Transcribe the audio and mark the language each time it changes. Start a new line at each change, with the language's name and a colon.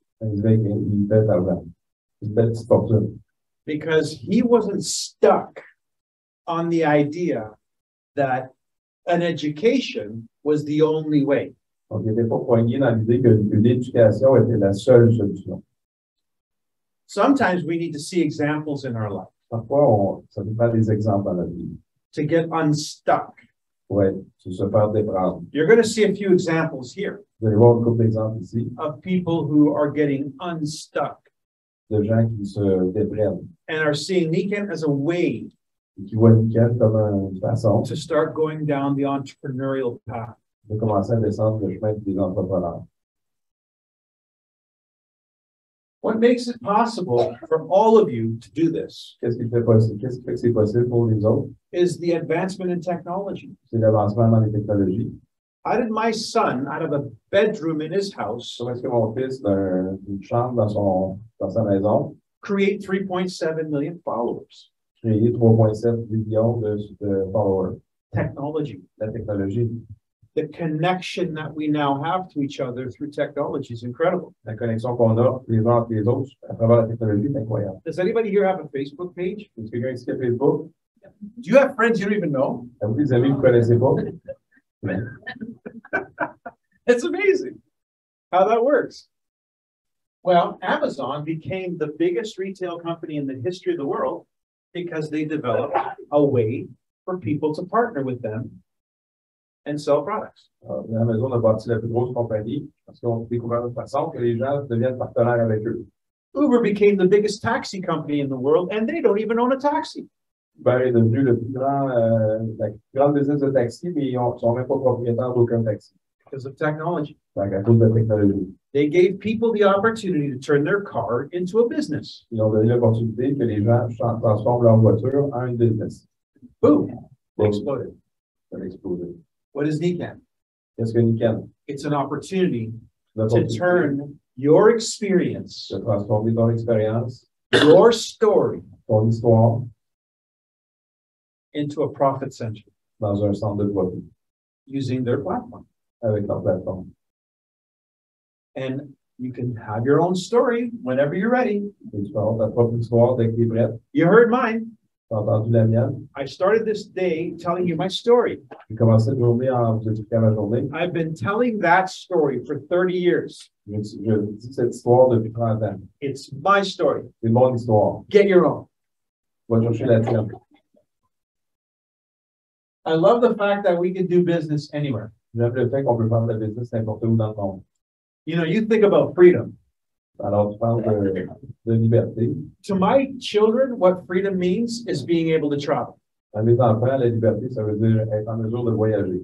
English: And he's making
French: une belle argent. Une belle petite fortune.
English: Because he wasn't stuck on the idea that an education was the only way.
French: Donc, il n'était pas poigné dans l'idée que l'éducation était la seule solution.
English: Sometimes we need to see examples in our life.
French: Parfois, ça ne fait pas des exemples dans la vie.
English: To get unstuck.
French: Ouais, to se faire déprendre.
English: You're going to see a few examples here.
French: Vous allez voir un couple d'exemples ici.
English: Of people who are getting unstuck.
French: De gens qui se déprennent.
English: And are seeing Niken as a way
French: qui voit Niken comme une façon
English: to start going down the entrepreneurial path.
French: De commencer à descendre le chemin des entrepreneurs.
English: What makes it possible for all of you to do this?
French: Qu'est-ce qui fait possible? Qu'est-ce qui fait que c'est possible pour les autres?
English: Is the advancement in technology.
French: C'est l'avancement dans les technologies.
English: How did my son, out of a bedroom in his house,
French: comment est-ce que mon fils, d'une chambre dans sa maison,
English: create 3.7 million followers?
French: Créer 3.7 millions de followers.
English: Technology.
French: La technologie.
English: The connection that we now have to each other through technology is incredible.
French: La connexion qu'on a les uns avec les autres à travers la technologie est incroyable.
English: Does anybody here have a Facebook page?
French: Est-ce que quelqu'un a Facebook?
English: Do you have friends you don't even know?
French: Avez-vous des amis que vous connaissez pas?
English: It's amazing how that works. Well, Amazon became the biggest retail company in the history of the world because they developed a way for people to partner with them and sell products.
French: Amazon a bâti la plus grosse compagnie parce qu'on a découvert une façon que les gens deviennent partenaires avec eux.
English: Uber became the biggest taxi company in the world and they don't even own a taxi.
French: Uber est devenu le plus grand, la grande business de taxi, mais ils ne sont même pas propriétaires d'aucun taxi.
English: Because of technology.
French: Donc, à cause de la technologie.
English: They gave people the opportunity to turn their car into a business.
French: Ils ont donné l'opportunité que les gens transforment leur voiture en une business.
English: Boom! They exploded. They exploded. What is Niken?
French: Qu'est-ce que Niken?
English: It's an opportunity to turn your experience,
French: de transformer ton expérience,
English: your story,
French: ton histoire,
English: into a profit center.
French: Dans un centre de profit.
English: Using their platform.
French: Avec leur plateforme.
English: And you can have your own story whenever you're ready.
French: Et tu peux avoir ta propre histoire dès que tu es prêt.
English: You heard mine.
French: T'as entendu la mienne.
English: I started this day telling you my story.
French: J'ai commencé la journée en vous expliquant ma journée.
English: I've been telling that story for 30 years.
French: Je dis cette histoire depuis 30 ans.
English: It's my story.
French: C'est mon histoire.
English: Get your own.
French: Va chercher la tienne.
English: I love the fact that we can do business anywhere.
French: J'aime le fait qu'on peut faire de la business n'importe où dans le monde.
English: You know, you think about freedom.
French: Alors, tu parles de liberté.
English: To my children, what freedom means is being able to travel.
French: À mes enfants, la liberté, ça veut dire être en mesure de voyager.